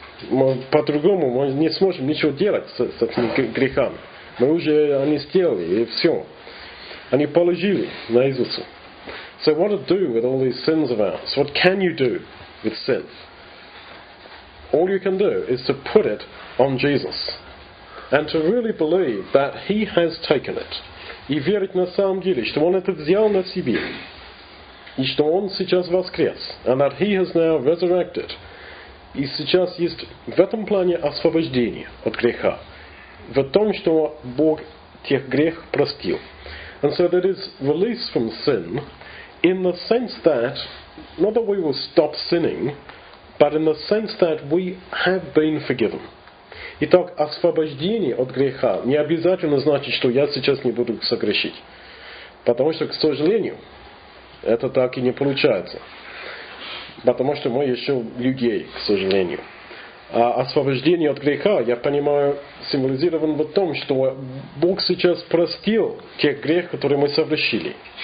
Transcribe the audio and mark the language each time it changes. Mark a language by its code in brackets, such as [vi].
[ru] Мы по-другому мы не сможем ничего делать с этими грехами. Мы уже они сделали, и все. Они положили на Иисуса. [en] So what to do with all these sins of ours? What can you do with sin? All you can do is to put it on Jesus. And to really believe that he has taken it. [ru] И верить на самом деле, что он это взял на себя. И что он сейчас воскрес. [en] And that he has now resurrected. [ru] И сейчас есть в этом плане освобождение от греха. В том, что Бог тех грех простил. [en] And so there is release from sin in the sense that, not that we will stop sinning, but in the sense that we have been forgiven. [ru] Итак, освобождение от греха не обязательно значит, что я сейчас не буду согрешить. Потому что, к сожалению, это так и не получается. Потому что мы еще людей, к сожалению. А освобождение от греха, я понимаю, символизировано в том, что Бог сейчас простил те грехи, которые мы совершили.